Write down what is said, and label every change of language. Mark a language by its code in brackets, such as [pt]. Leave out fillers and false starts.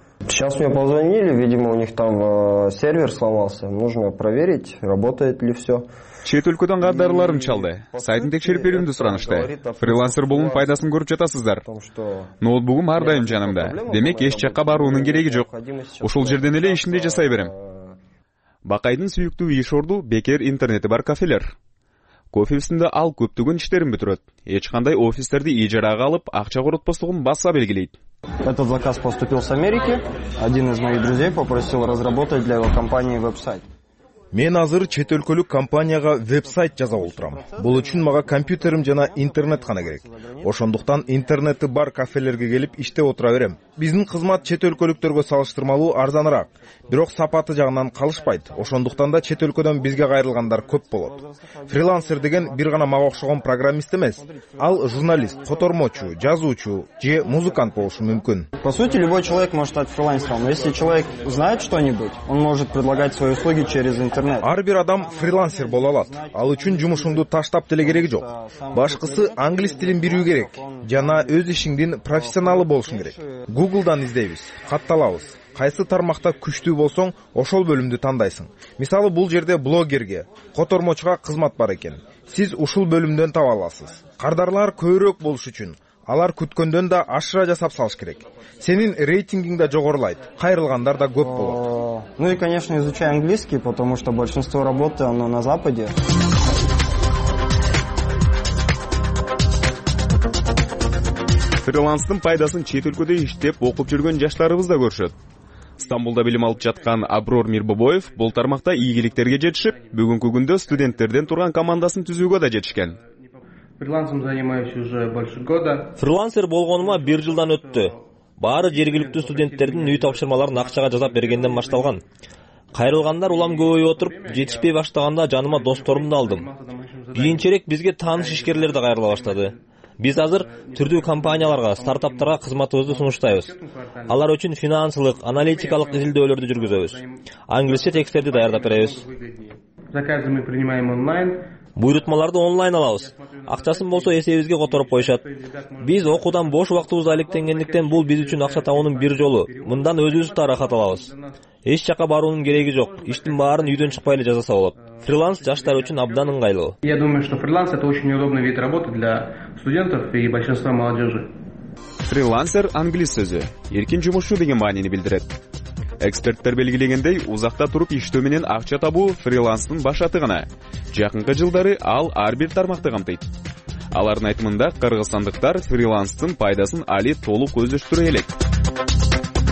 [ru] Сейчас мне позвонили, видимо, у них там сервер сломался. Нужно проверить, работает ли все. [ky] Чет өлкөдөн кардарларын чалды. Сайтын текшерип берүүнү сурашты. Фрилансер болуунун пайдасын көрүп жатасыздар. Ноутбугум ар дайым жанымда. Демек эч жакка баруунун кереги жок. Ушул жерден эле ишинде жасай берем. Бакайдын сүйүктүү иш орду бекер интернети бар кафелер. Кофе үстүндө ал көптөгөн иштерин бүтүрөт. Эч кандай офистерди ижарага алып, акча коротпостугун баса белгилейт. [ru] Этот заказ поступил с Америки. Один из моих друзей попросил разработать для его компании веб-сайт. [ky] Мен азыр чет өлкөлүк компанияга веб-сайт жасап отурам. Бул үчүн мага компьютерим жана интернет гана керек. Ошондуктан интернети бар кафелерге келип иштеп отура берем. Биздин кызмат чет өлкөлүктөргө салыштырмалуу арзаныраак, бирок сапаты жагынан калышпайт. Ошондуктан да чет өлкөдөн бизге кайрылгандар көп болот. Фрилансер деген бир гана мага окшогон программист эмес. Ал журналист, котормочу, жазуучу же музыкант болушу мүмкүн. [ru] По сути, любой человек может стать фрилансером. Но если человек знает что-нибудь, он может предлагать свои услуги через интернет. [ky] Ар бир адам фрилансер боло алат. Ал үчүн жумушуңду таштап деле кереги жок. Башкысы англис тилин билүү керек жана өз ишиңдин профессионалы болушуң керек. Google'дан издейбиз, катталабыз. Кайсы тармакта күчтүү болсоң, ошол бөлүмдү тандайсың. Мисалы, бул жерде блогерге, котормочуга кызмат бар экен. Сиз ушул бөлүмдөн таба аласыз. Кардарлар көбүрөөк болуш үчүн алар күткөндөн да ашыра жасап салыш керек. Сенин рейтингиң да жогорулайт, кайрылгандар да көп болот. [ru] Ну и, конечно, изучай английский, потому что большинство работы оно на западе. [ky] Фрилансын пайдасын чет өлкөдө иштеп окуп жүргөн жаштарыбыз да көрүшөт. Стамбулда билим алып жаткан Аброр Мирбобоев бул тармакта ийгиликтерге жетишип, бүгүнкү күндө студенттерден турган командасын түзүүгө да жетишкен. [ru] Фрилансом занимаюсь уже больше года. [ky] Фрилансер болгонума 1 жылдан өттү. Баары жергиликтүү студенттердин үй тапшырмаларын акчага жасап бергенден башталган. Кайрылгандар улам көбөйүп отуруп, жетишпей баштаганда жаныма досторумду алдым. Кийинчерээк бизге тааныш ишкерлер да кайрыла баштады. Биз азыр түрдүү компанияларга, стартаптарга кызматыбызды сунуштайбыз. Алар үчүн финансылык, аналитикалык изилдөөлөрдү жүргүзөбүз. Англисче текстерди даярдап беребиз. [ru] Заказы мы принимаем онлайн. [ky] Буйрутмаларды онлайн алабыз. Акчасын болсо эсебизге которуп коюшат. Биз окуудан бош убактыбызды алектенгендиктен бул биз үчүн акча табуунун бир жолу. Мындан өзүбүз тарахат алабыз. Эч жака баруунун кереги жок. Иштин баарын үйдөн чыкпай эле жасаса болот. Фриланс жаштар үчүн абдан ыңгайлуу. [ru] Я думаю, что фриланс это очень удобный вид работы для студентов и большинства молодежи. [ky] Фрилансер англис сөзү эркин жумушчу деген маанини билдирет. Эксперттер белгилегендей, узакта туруп иштөө менен акча табуу фрилансын башаты гана. Жакынкы жылдары ал ар бир тармакты камтыйт. Алардын айтымында кыргызстандыктар фрилансын пайдасын али толук көздөштүрө элек.